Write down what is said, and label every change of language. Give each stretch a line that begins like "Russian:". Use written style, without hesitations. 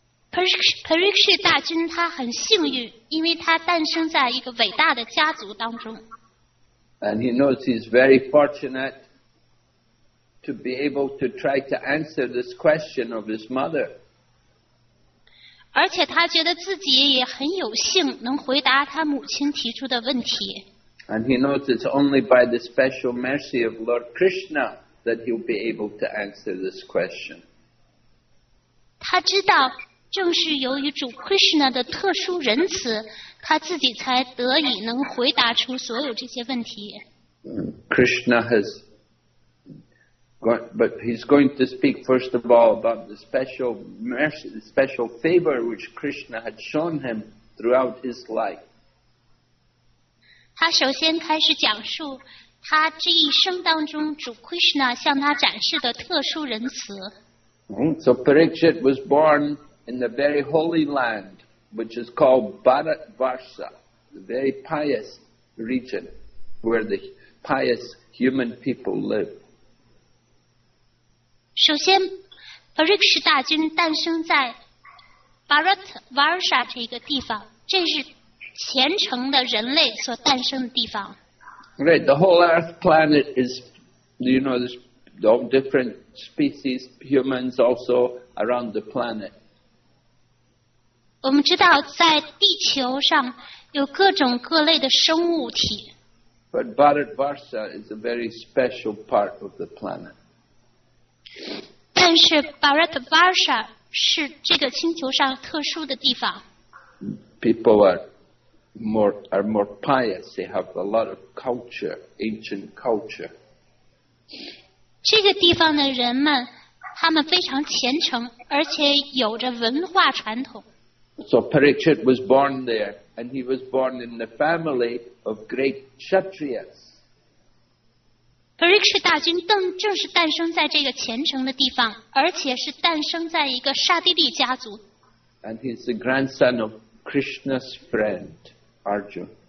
Chinese: Parikshit 大军他很幸运，因为他诞生在一个伟大的家族当中。
English: And he knows he's very fortunate to be able to try to answer this question of his mother.
Chinese: 而且他觉得自己也很有幸能回答他母亲提出的问题。
English: And he knows it's only by the special mercy of Lord Krishna that he'll be able to answer this question.
Chinese: 他知道正是由于主 Krishna 的特殊仁慈，他自己才得以能回答出所有这些问题。
English: Krishna has got, but he's going to speak first of all about the special mercy, the special favor which Krishna had shown him throughout his life.
Chinese: 他首先开始讲述他这一生当中主 Krishna 向他展示的特殊仁慈。
English: So Parikshit was born in the very holy land, which is called Bharatvarsha, the very pious region where the pious human people live.
Chinese: 首先 Parikshit 大军诞生在 Bharatvarsha 这个地方，这是虔诚的人类所诞生的地方。
English: Right, the whole earth planet is, you know, all different species, humans also around the planet.
Chinese: 我们知道在地球上有各种各类的生物体。
English: But Bharatvarsha is a very special part of the planet.
Chinese: 但是 Bharatvarsha 是这个星球上特殊的地方。
English: People are more pious. They have a lot of culture, ancient culture.
Chinese: 这个地方的人们，他们非常虔诚，而且有着文化传统。
English: So Parikshit was born there, and he was born in the family of great Kshatriyas.
Chinese: Parikshit 大军正是诞生在这个虔诚的地方，而且是诞生在一个刹帝利家族。
English: And he's the grandson of Krishna's friend. Arjun.